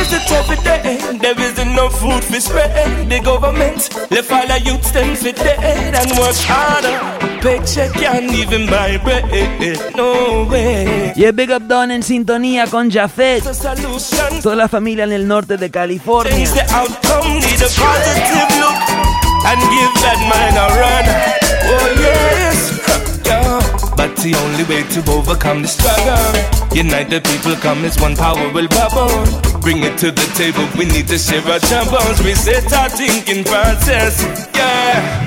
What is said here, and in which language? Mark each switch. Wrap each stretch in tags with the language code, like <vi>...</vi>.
<en>Every day, there isn't no food for spread. The government left all the youths them for dead and work harder. Paycheck can't even buy bread. No way. Yeah, big up</en> <es>Don en sintonía con Jafet. Toda la familia en el norte de California.</es> <en>Change the outcome, need a positive look and give that man a run. Oh yes, but the only way to overcome the struggle, unite the people, come as one power will bubble. Bring it to the table, we need to share our troubles. Reset our thinking process, yeah.</en>